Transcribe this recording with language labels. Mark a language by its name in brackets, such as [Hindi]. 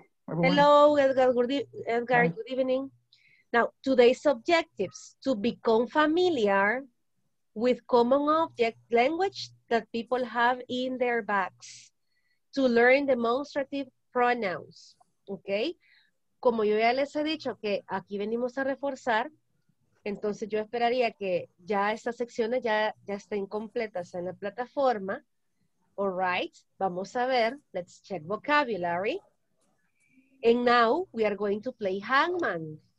[English] Hello, Edgar. Edgar, good evening. Now, today's objectives, to become familiar with common object language that people have in their bags, to learn demonstrative pronouns, okay? [Spanish] Como yo ya les he dicho que aquí venimos a reforzar, entonces yo esperaría que ya estas secciones ya estén completas en la plataforma. [English] All right, [Spanish] vamos a ver, [English] let's check vocabulary. And now we are going to play Hangman.